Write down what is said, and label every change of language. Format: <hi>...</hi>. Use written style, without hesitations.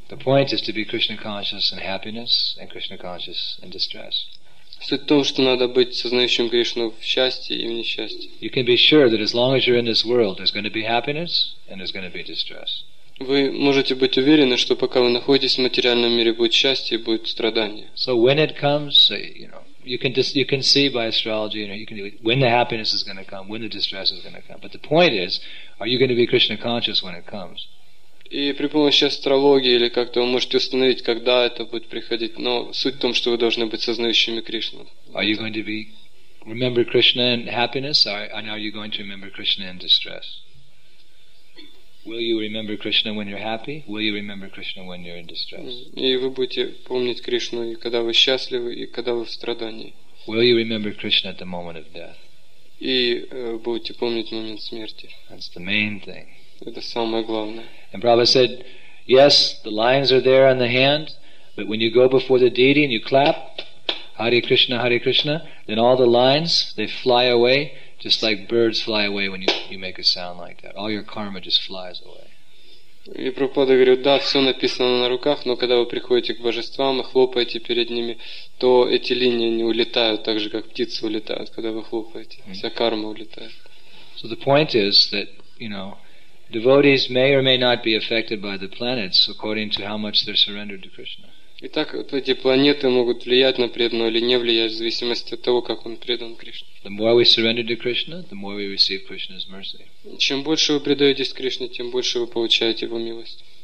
<en>The point is to be Krishna conscious in happiness and Krishna conscious in distress.</en> <ru>Суть в том, что надо быть сознающим Кришну в счастье и в несчастье.</ru> <en>You can be sure that as long as you're in this world, there's going to be happiness and there's going to be distress.</en> <ru>Вы можете быть уверены, что пока вы находитесь в материальном мире, будет счастье и будет страдание.</ru> <en>So when it comes, you know, you can see by astrology, you know, you can when the happiness is going to come, when the distress is going to come. But the point is, are you going to be Krishna conscious when it comes?</en> <ru>И при помощи астрологии или как-то вы можете установить, когда это будет приходить. Но суть в том, что вы должны быть сознающими Кришну.</ru> <en>Are you going to be remember Krishna in happiness, or are you going to remember Krishna in distress? Will you remember Krishna when you're happy? Will you remember Krishna when you're in distress?</en> <ru>И вы будете помнить Кришну, и когда вы счастливы, и когда вы в страдании.</ru> <en>Will you remember Krishna at the moment of death?</en> <ru>И будете помнить момент смерти.</ru> <en>That's the main thing.</en> <ru>Это самое главное.</ru> <en>And Prabhupada said, yes, the lines are there on the hand, but when you go before the deity and you clap, Hare Krishna, then all the lines, they fly away, just like birds fly away when you make a sound like that. All your karma just flies away.</en> <ru>И Прабхупада говорит, да, все написано на руках, но когда вы приходите к божествам и хлопаете перед ними, то эти линии не улетают так же, как птицы улетают, когда вы хлопаете. Вся карма улетает.</ru> <en>So the point is that, you know, devotees may or may not be affected by the planets according to how much they're surrendered to Krishna.</en> <ru>Итак, вот эти планеты могут влиять на преданного или не влиять, в зависимости от того, как он предан Кришне.</ru> <en>The more we surrender to Krishna, the more we receive Krishna's mercy.</en> <ru>Чем больше вы предаетесь Кришне, тем больше вы получаете его милость.</ru>